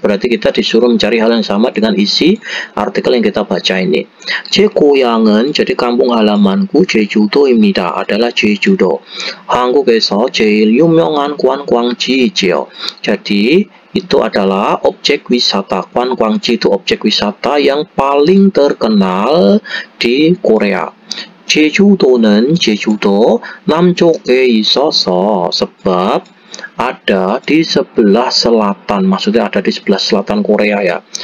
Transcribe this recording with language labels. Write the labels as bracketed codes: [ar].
[id] Berarti kita disuruh mencari hal yang sama dengan isi artikel yang kita baca ini. [ko] 제 고향은 [id] jadi kampung halamanku [ko] 제주도입니다. [id] Adalah 제주도. [ko] 한국에서 제일 유명한 관광지죠. [id] Jadi itu adalah objek wisata. [ko] Kwangji [id] itu objek wisata yang paling terkenal di Korea. [ko] 제주도는 제주도 남쪽에 있어서 [id] sebab ada di sebelah selatan, maksudnya ada di sebelah selatan Korea ya.